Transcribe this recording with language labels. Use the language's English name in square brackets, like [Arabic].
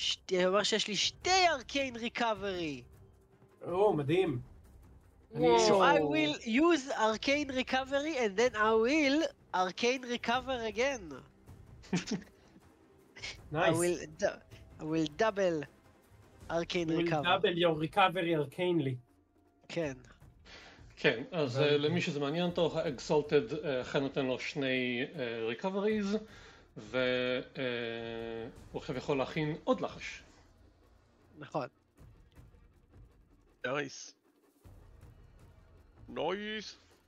[Hebrew] זה אומר שיש לי 2 ארקיין ריקאברי. או, מדהים. [English] So I will use arcane recovery and then I will arcane recover again. Nice. I will double arcane recovery. Double your recovery arcanely. [Hebrew] כן. כן, אז למי שזה מעניין אותו, ה-exalted אכן נותן לו 2 recoveries, והוא עכשיו יכול להכין עוד לחש. נכון. [English] Nice. נויז.